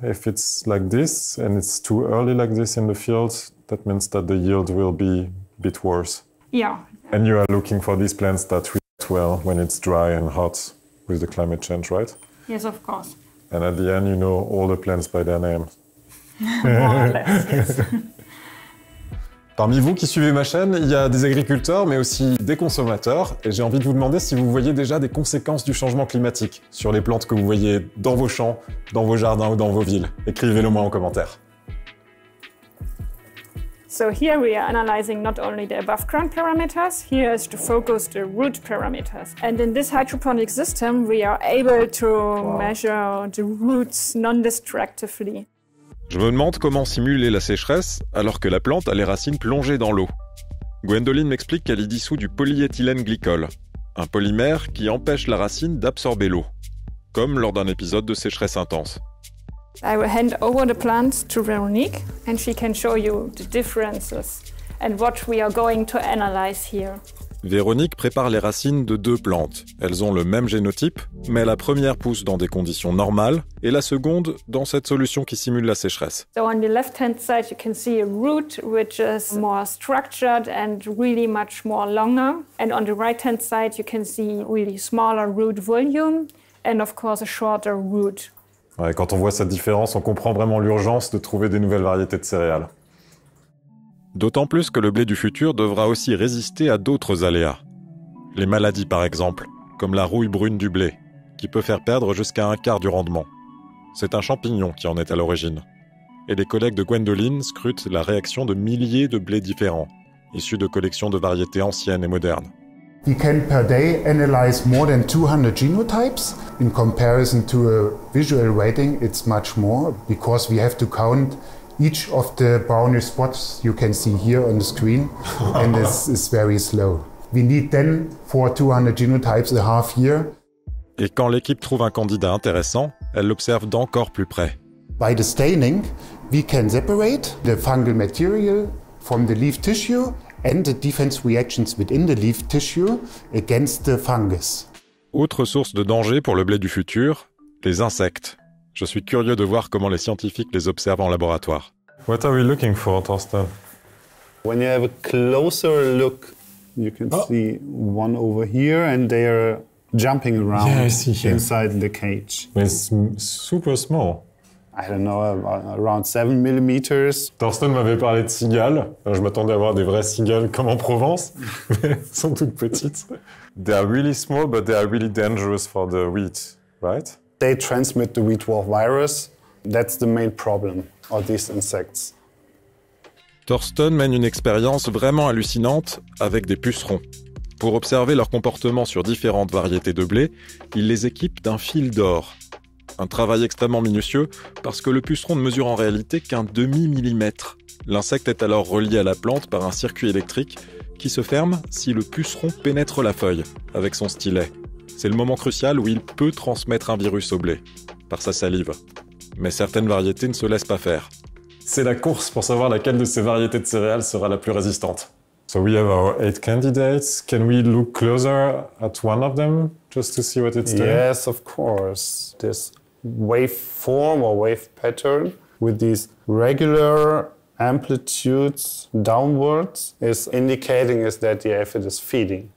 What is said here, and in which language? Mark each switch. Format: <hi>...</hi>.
<en>If it's like this, and it's too early like this in the field, that means that the yield will be a bit worse. Yeah. And you are looking for these plants that react well when it's dry and hot with the climate change, right? Yes, of course. And at the end, you know all the plants by their name.</en> <fr>Parmi vous qui suivez ma chaîne, il y a des agriculteurs, mais aussi des consommateurs. Et j'ai envie de vous demander si vous voyez déjà des conséquences du changement climatique sur les plantes que vous voyez dans vos champs, dans vos jardins ou dans vos villes. Écrivez-le moi en commentaire.</fr> <en>So here we are analyzing not only the above ground parameters, here is to focus the root parameters. And in this hydroponic system, we are able to measure the roots non-destructively.</en> <fr>Je me demande comment simuler la sécheresse alors que la plante a les racines plongées dans l'eau. Gwendoline m'explique qu'elle y dissout du polyéthylène glycol, un polymère qui empêche la racine d'absorber l'eau, comme lors d'un épisode de sécheresse intense.</fr> <en>I will hand over the plants to Veronique and she can show you the differences and what we are going to analyze here.</en> <fr>Véronique prépare les racines de deux plantes. Elles ont le même génotype, mais la première pousse dans des conditions normales et la seconde dans cette solution qui simule la sécheresse.</fr> <en>So on the left-hand side, you can see a root which is more structured and really much more longer. And on the right-hand side, you can see really smaller root volume and of course a shorter root.</en> <fr>Ouais, quand on voit cette différence, on comprend vraiment l'urgence de trouver des nouvelles variétés de céréales. D'autant plus que le blé du futur devra aussi résister à d'autres aléas. Les maladies par exemple, comme la rouille brune du blé, qui peut faire perdre jusqu'à un quart du rendement. C'est un champignon qui en est à l'origine. Et les collègues de Gwendoline scrutent la réaction de milliers de blés différents, issus de collections de variétés anciennes et modernes.</fr> <en>We can per day analyze more than 200 genotypes. In comparison to a visual rating, it's much more because we have to count each of the brownish spots you can see here on the screen, and this is very slow. We need then for 200 genotypes a half year.</en> <fr>Et quand l'équipe trouve un candidat intéressant, elle l'observe d'encore plus près.</fr> <en>By the staining, we can separate the fungal material from the leaf tissue and the defense reactions within the leaf tissue against the fungus.</en> <fr>Autre source de danger pour le blé du futur, les insectes. Je suis curieux de voir comment les scientifiques les observent en laboratoire.</fr> <en>What are we looking for, Torsten? When you have a closer look, you can see one over here and they are jumping around inside the cage. It's super small. I don't know, around 7 millimeters.</en> <fr>Torsten m'avait parlé de cigales. Alors, je m'attendais à voir des vraies cigales comme en Provence, mais elles sont toutes petites.</fr> <en>They are really small, but they are really dangerous for the wheat, right? They transmit the wheat dwarf virus. That's the main problem of these insects.</en> <fr>Torsten mène une expérience vraiment hallucinante avec des pucerons. Pour observer leur comportement sur différentes variétés de blé, il les équipe d'un fil d'or. Un travail extrêmement minutieux, parce que le puceron ne mesure en réalité qu'un demi-millimètre. L'insecte est alors relié à la plante par un circuit électrique qui se ferme si le puceron pénètre la feuille avec son stylet. C'est le moment crucial où il peut transmettre un virus au blé, par sa salive. Mais certaines variétés ne se laissent pas faire. C'est la course pour savoir laquelle de ces variétés de céréales sera la plus résistante.</fr> <en>So we have our 8 candidates. Can we look closer at one of them just to see what it's doing? Yes, of course. This wave form or wave pattern with these regular amplitudes downwards is indicating is that the aphid is feeding.</en>